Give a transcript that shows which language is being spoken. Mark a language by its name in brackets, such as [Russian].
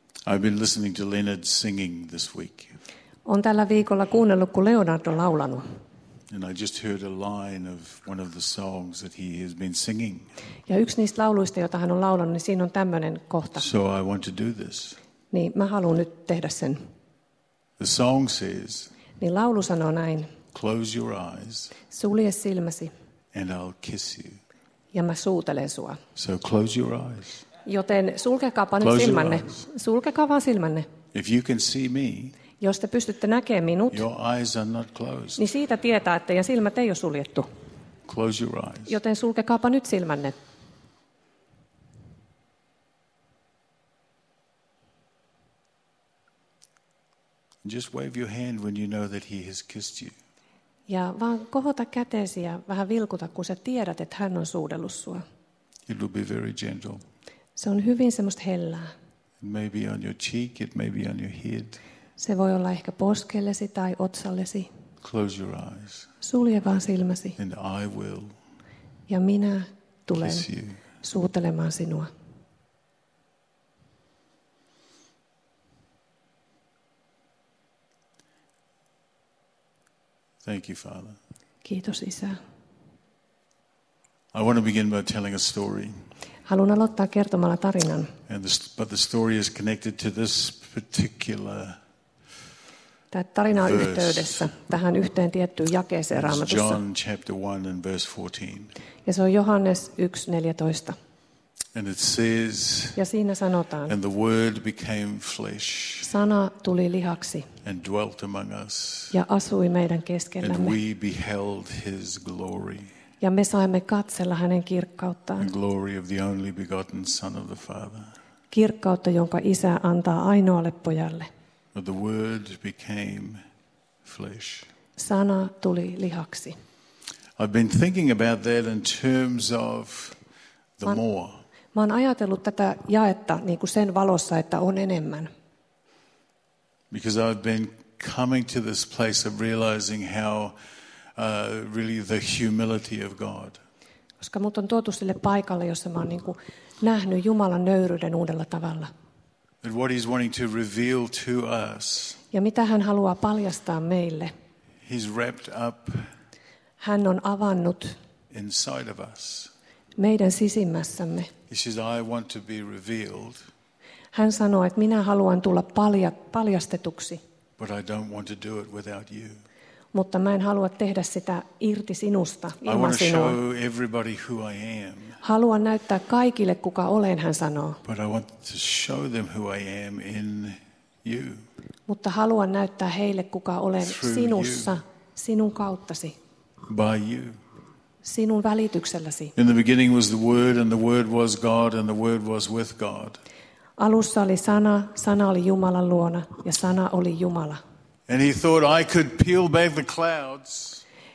[English] I've been listening to Leonard singing this week. [Finnish] On tällä viikolla kuunnellut, kun Leonard on laulanut. [English] And I just heard a line of one of the songs that he has been singing. [Finnish] Ja yksi niistä lauluista, jota hän on laulanut, niin siinä on tämmöinen kohta. [English] So I want to do this. [Finnish] Niin mä haluan nyt tehdä sen. [English] The song says. [Finnish] Niin laulu sanoo näin. [English] Close your eyes. [Finnish] Sulje silmäsi. [English] And I'll kiss you. [Finnish] Ja mä suutelen sua. [English] So close your eyes. [Finnish] Joten sulkekaapa nyt silmänne. Sulkekaa vaan silmänne. [English] If you can see me. [Finnish] Jos te pystytte näkemään minut. [English] Your eyes are not closed. [Finnish] Niin siitä tietää, että ja silmät ei ole suljettu. [English] Close your eyes. [Finnish] Joten sulkekaapa nyt silmänne. [English] Just wave your hand when you know that he has kissed you. [Finnish] Ja vaan kohota käteesi ja vähän vilkuta, kun sä tiedät, että hän on suudellut sua. [English] It will be very gentle. [Finnish] Se on hyvin semmoista hellää. [English] It may be on your cheek, it may be on your head. [Finnish] Se voi olla ehkä poskellesi tai otsallesi. [English] Close your eyes. [Finnish] Sulje vaan silmäsi. [English] And I will. [Finnish] Ja minä tulen suutelemaan sinua. [English] Thank you, Father. [Finnish] Kiitos, Isä. [English] I want to begin by telling a story. [Finnish] Haluan aloittaa kertomalla tarinan. [English] But the story is connected to this particular. [Finnish] Tämä tarina on yhteydessä tähän yhteen tiettyyn jakeeseen Raamatussa. [English] It's John chapter 1 and verse 14. [Finnish] Ja se on Johannes 1:14. [English] And it says, [Finnish] ja siinä sanotaan, [English] and the word became flesh, [Finnish] sana tuli lihaksi, [English] and dwelt among us, [Finnish] ja asui meidän keskellämme, [English] and we beheld his glory, [Finnish] ja me saimme katsella hänen kirkkauttaan, [English] the glory of the only begotten son of the father, [Finnish] kirkkautta jonka isä antaa ainoalle pojalle. [English] But the word became flesh, [Finnish] sana tuli lihaksi. [English] I've been thinking about that in terms of the more. [Finnish] Mä oon ajatellut tätä jaetta niin kuin sen valossa, että on enemmän. [English] Because I've been coming to this place of realizing how really the humility of God. [Finnish] Koska mut on tuotu sille paikalle, jossa mä oon niin kuin nähnyt Jumalan nöyryyden uudella tavalla. [English] And what he's wanting to reveal to us. [Finnish] Ja mitä hän haluaa paljastaa meille. [English] He's wrapped up. [Finnish] Hän on avannut [English] inside of us. [Finnish] Meidän sisimmässämme. [English] He says, I want to be revealed. [Finnish] Hän sanoo, että minä haluan tulla paljastetuksi. [English] But I don't want to do it without you. [Finnish] Mutta mä en halua tehdä sitä irti sinusta, ilman [English] I want to [Finnish] sinua. [English] Show everybody who I am. [Finnish] Haluan näyttää kaikille, kuka olen, hän sanoo. [English] But I want to show them who I am in you. [Finnish] Mutta haluan näyttää heille, kuka olen [English] through [Finnish] sinussa, [English] you. [Finnish] Sinun kauttasi. [English] By you. [Finnish] Sinun välitykselläsi. [English] In the beginning was the word and the word was God and the word was with God. [Finnish] Alussa oli sana, sana oli Jumalan luona ja sana oli Jumala. [English] And he thought I could peel back the clouds.